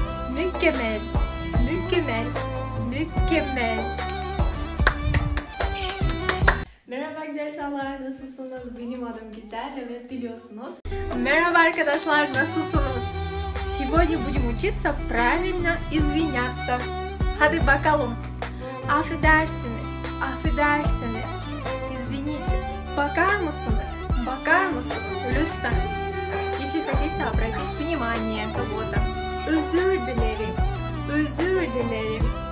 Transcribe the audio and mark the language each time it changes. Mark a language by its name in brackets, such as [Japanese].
[Turkish] Mükemmel, mükemmel, mükemmel. Merhaba güzel insanlar, nasılsınız? Benim adım Güzel, evet biliyorsunuz. Merhaba arkadaşlar, nasılsınız? [Russian] Сегодня будем учиться правильно извиняться. [Turkish] Hadi bakalım. Affedersiniz, affedersiniz. [Russian] Извините. [Turkish] Бакар мусунуз, бакар мусунуз. Лютфен. [Russian] Если хотите обратить внимание кого-то. [Turkish] Özür dilerim, özür dilerim.